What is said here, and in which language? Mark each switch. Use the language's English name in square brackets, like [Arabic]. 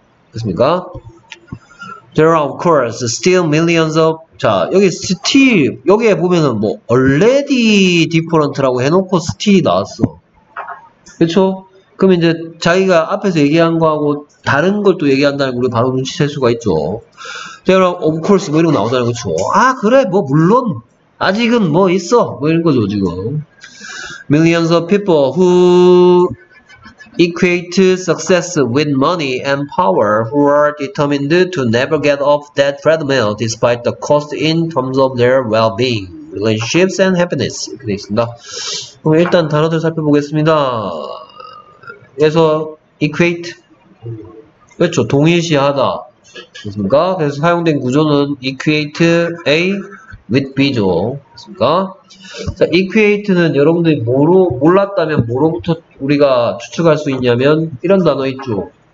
[Korean] 그렇습니까? [English] There are of course still millions of, [Korean] 자 여기 still, 여기에 보면은 뭐 already different 라고 해놓고 still이 나왔어. 그렇죠? 그럼 이제 자기가 앞에서 얘기한 거하고 다른 걸 또 얘기한다는 걸 바로 눈치챌 수가 있죠. [English] There are of course [Korean] 뭐 이런 거 나오잖아요. 그렇죠? 아 그래 뭐 물론 아직은 뭐 있어, 뭐 이런 거죠 지금. [English] Millions of people who equate success with money and power who are determined to never get off that treadmill despite the cost in terms of their well-being, relationships and happiness. [Korean] 이렇게 돼 있습니다. 그럼 일단 단어들 살펴보겠습니다. 그래서 equate, 그렇죠, 동일시하다. 그렇습니까? 그래서 사용된 구조는 equate A with B죠. 그렇습니까? 자, equate는 여러분들이 뭐로, 몰랐다면 뭐로부터 우리가 추측할 수 있냐면 이런 단어 있죠.